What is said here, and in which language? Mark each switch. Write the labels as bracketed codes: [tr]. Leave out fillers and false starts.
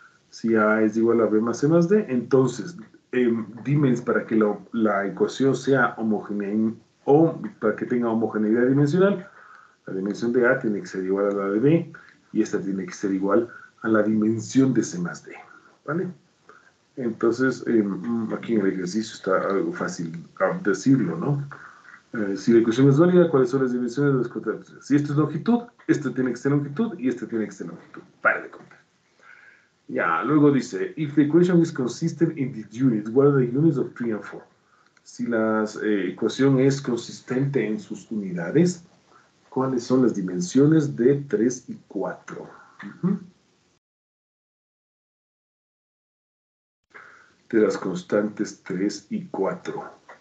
[es] Si A es igual a B más C más D, entonces, para que la ecuación sea homogénea o para que tenga homogeneidad dimensional, la dimensión de A tiene que ser igual a la de B y esta tiene que ser igual a la dimensión de C más D, ¿vale? Entonces, aquí en el ejercicio está algo fácil decirlo, ¿no? Si la ecuación es válida, ¿cuáles son las dimensiones de los cuadrados? Si esto es longitud, esto tiene que ser longitud y este tiene que ser longitud. Para de contar. Ya, luego dice, [en] if the equation is consistent in the units, what are the units of 3 and 4? [es] Si la ecuación es consistente en sus unidades, ¿cuáles son las dimensiones de 3 y 4? De las constantes 3 y 4.